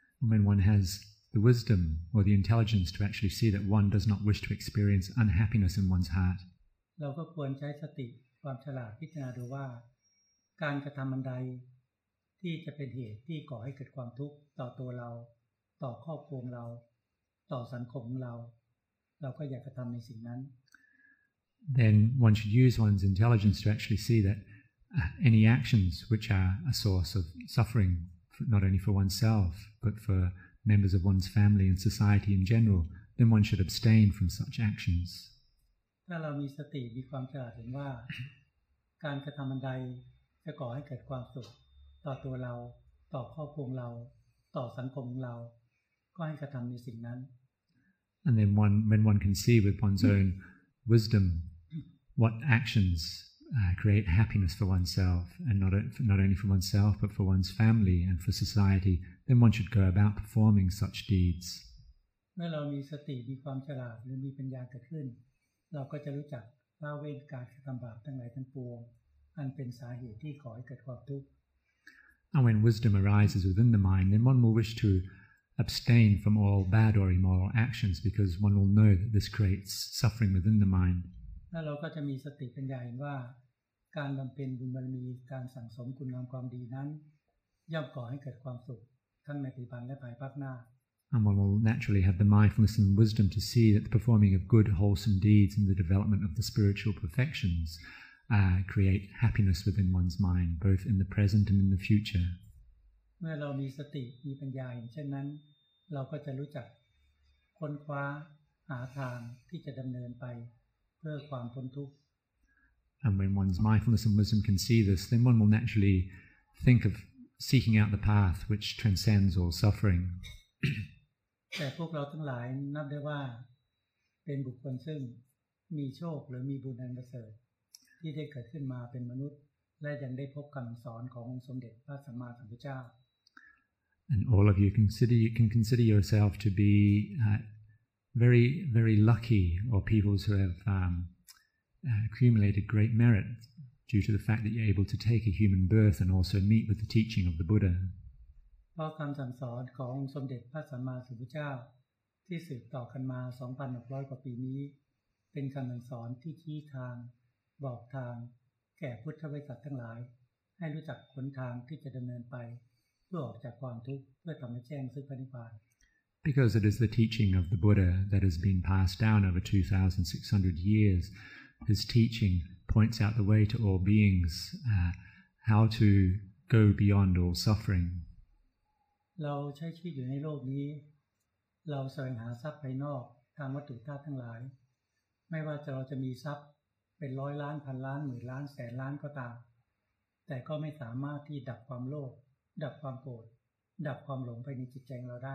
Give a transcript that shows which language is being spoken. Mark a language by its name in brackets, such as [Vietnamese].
[English] When one has the wisdom or the intelligence to actually see that one does not wish to experience unhappiness in one's heart, we should use the wisdom or the intelligence to see that [Thai] การกระทำอันใดที่จะเป็นเหตุที่ก่อให้เกิดความทุกข์ต่อตัวเราต่อครอบครัวเราต่อสังคมเราเราก็อยากกระทำในสิ่งนั้น [English] Then one should use one's intelligence to actually see that any actions which are a source of suffering not only for oneself but for members of one's family and society in general then one should abstain from such actions [Thai] ถ้าเรามีสติมีความฉลาดเห็นว่าการกระทำอันใดจะก่อให้เกิดความสุขต่อตัวเราต่อครอบครัวเราต่อสังคมเราก็ให้กระทำในสิ่งนั้น [English] And then when one can see with one's own wisdom what actions create happiness for oneself and not only for oneself but for one's family and for society then one should go about performing such deeds [Thai] เมื่อเรามีสติมีความฉลาดหรือมีปัญญาเกิดขึ้นเราก็จะรู้จักละเว้นการกระทำบาปทั้งหลายทั้งปวงอันเป็นสาเหตุที่ก่อให้เกิดความทุกข์ [English] And when wisdom arises within the mind then one will wish to abstain from all bad or immoral actions because one will know that this creates suffering within the mind [Thai] แล้วเราก็จะมีสติปัญญาเห็นว่าการบำเพ็ญบุญบารมีการสั่งสมคุณงามความดีนั้นย่อมก่อให้เกิดความสุขทั้งในปัจจุบันและภายภาคหน้า [English] And one will naturally have the mindfulness and wisdom to see that the performing of good wholesome deeds and the development of the spiritual perfectionscreate happiness within one's mind, both in the present and in the future. [Thai] เมื่อเรามีสติมีปัญญาอย่างเช่นนั้นเราก็จะรู้จักค้นคว้าหาทางที่จะดำเนินไปเพื่อความพ้นทุกข์ [English] And when one's mindfulness and wisdom can see this, then one will naturally think of seeking out the path which transcends all suffering. [Thai] แต่พวกเราทั้งหลายนับได้ว่า็นบุคคลซึ่งมีโชคหรือมีบุญอันประเสริฐที่ได้เกิดขึ้นมาเป็นมนุษย์และยังได้พบคำสอนขององค์สมเด็จพระสัมมาสัมพุทธเจ้า [English] And all of you can consider yourself to be very very lucky or people who have accumulated great merit due to the fact that you're able to take a human birth and also meet with the teaching of the Buddha [Thai] เพราะคำสั่งสอนขององค์สมเด็จพระสัมมาสัมพุทธเจ้าที่สืบต่อกันมา 2,600 กว่าปีนี้เป็นคำสั่งสอนที่ชี้ทางบอกทางแก่พุทธบริษัททั้งหลายให้รู้จักหนทางที่จะดำเนินไปเพื่อออกจากความทุกข์เพื่อทำให้แจ้งซึ่งพระนิพพาน [English] Because it is the teaching of the Buddha that has been passed down over 2,600 years His teaching points out the way to all beings how to go beyond all suffering [Thai] เราใช้ชีวิตอยู่ในโลกนี้เราแสวงหาทรัพย์ภายนอกทางวัตถุธาตุทั้งหลายไม่ว่าเราจะมีทรัพย์เป็นร้อยล้านพันล้านหมื่นล้านแสนล้านก็ตามแต่ก็ไม่สามารถที่ดับความโลภดับความโกรธดับความหลงไปในจิตใจของเราได